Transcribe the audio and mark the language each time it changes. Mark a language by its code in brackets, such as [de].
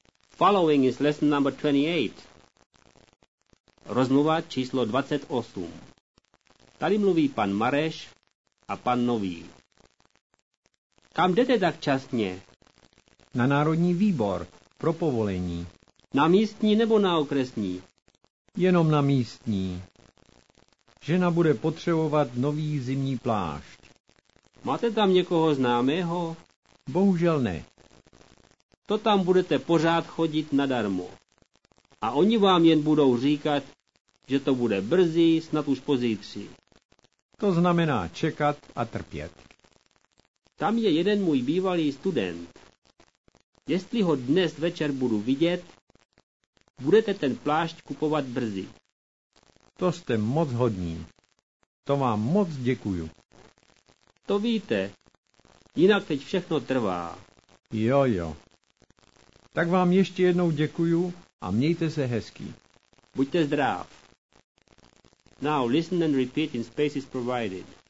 [en] Following is lesson number 28. [cs] Rozmluva číslo 28. Tady mluví pan Mareš a pan Nový. Kam jdete tak časně? Na národní výbor, pro povolení. Na místní nebo na okresní? Jenom na místní. Žena bude potřebovat nový zimní plášť. Máte tam někoho známého? Bohužel ne. To tam budete pořád chodit nadarmo. A oni vám jen budou říkat, že to bude brzy, snad už pozítří. To znamená čekat a trpět. Tam je jeden můj bývalý student. Jestli ho dnes večer budu vidět, budete ten plášť kupovat brzy. To jste moc hodní. To vám moc děkuju. To víte. Jinak teď všechno trvá. Jo, jo. Tak vám ještě jednou děkuju a mějte se hezky. Buďte zdrav. [en] Now listen and repeat in spaces provided.